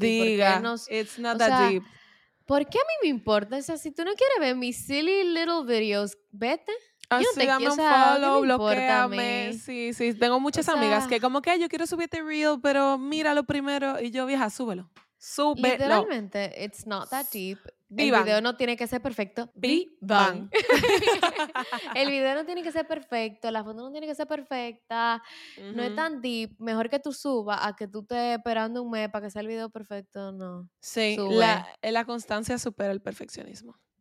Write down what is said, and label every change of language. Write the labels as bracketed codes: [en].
[es] Diga, ¿por qué nos, [en] it's not that deep. [es] ¿Por qué a mí me importa? O sea, si tú no quieres ver mis [en] silly little videos, [es] vete. Así, dame un follow, bloquéame. Sí, sí, tengo muchas amigas que como que yo quiero subirte reel, pero míralo primero y yo, vieja, súbelo. Súbelo. Literalmente, [en] it's not that deep. [es] El video no tiene que ser perfecto. Bang. El video no tiene que ser perfecto, la foto no tiene que ser perfecta, no es tan deep. Mejor que tú subas a que tú estés esperando un mes para que sea el video perfecto, no. Sí, la constancia supera el perfeccionismo.